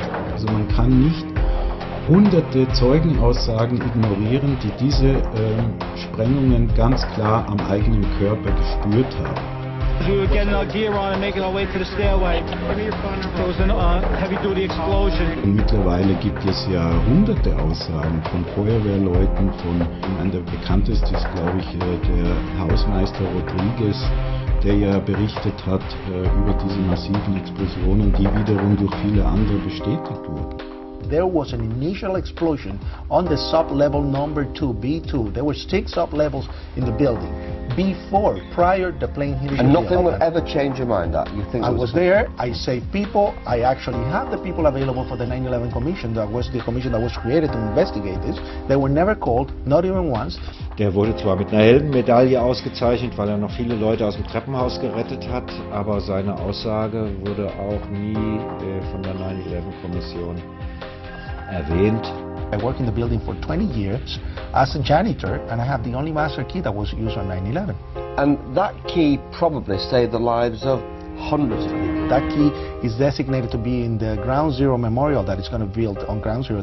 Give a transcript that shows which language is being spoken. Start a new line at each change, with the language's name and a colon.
German: Also man kann nicht hunderte Zeugenaussagen ignorieren, die diese Sprengungen ganz klar am eigenen Körper gespürt haben.
English: As we were getting our gear on and making our way to the stairway, there was a heavy-duty explosion.
German: Und mittlerweile gibt es ja hunderte Aussagen von Feuerwehrleuten, von einem der bekanntesten ist, glaube ich, der Hausmeister Rodriguez, der ja berichtet hat über diese massiven Explosionen, die wiederum durch viele andere bestätigt wurden.
English: There was an initial explosion on the sub-level number 2, B2. There were 6 sub-levels in the building before, prior to the plane hitting. And nothing would ever change your mind that you think I was there, I saved people, I actually had the people available for the 9/11 commission, that was the commission that was created to investigate this. They were never called, not even once.
German: Der wurde zwar mit einer Heldenmedaille ausgezeichnet, weil er noch viele Leute aus dem Treppenhaus gerettet hat, aber seine Aussage wurde auch nie von der 9/11-Kommission erwähnt.
English: I worked in the building for 20 years as a janitor and I have the only master key that was used on 9/11. And that key probably saved the lives of hundreds of people. That key is designated to be in the Ground Zero Memorial that is going to be built on Ground Zero.